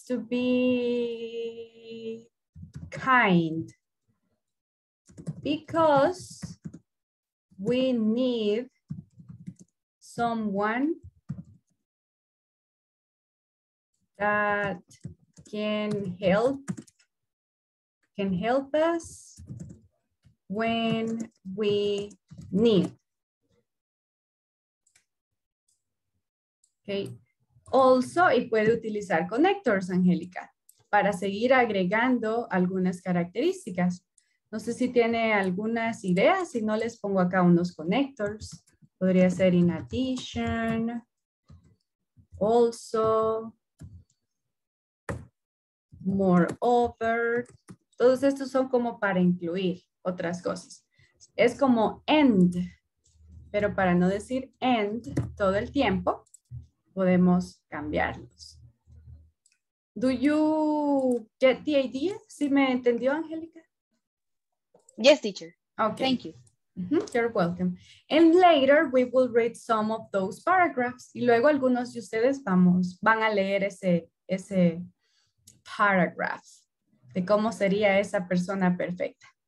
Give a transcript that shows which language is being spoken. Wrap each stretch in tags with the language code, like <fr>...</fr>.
<en>be kind, because we need someone that can help us when we need. Okay.</en> <es>Also, y puede utilizar connectors, Angélica, para seguir agregando algunas características. No sé si tiene algunas ideas, si no les pongo acá unos connectors. Podría ser</es> <en>in addition, also, moreover.</en> <es>Todos estos son como para incluir otras cosas. Es como and, pero para no decir and todo el tiempo, podemos cambiarlos.</es> <en>Do you get the idea?</en> <es>¿Sí me entendió, Angélica?</es> <en>Yes, teacher. Okay. Thank you. Mm-hmm. You're welcome. And later we will read some of those paragraphs.</en> <es>Y luego algunos de ustedes van a leer ese paragraph de cómo sería esa persona perfecta.</es>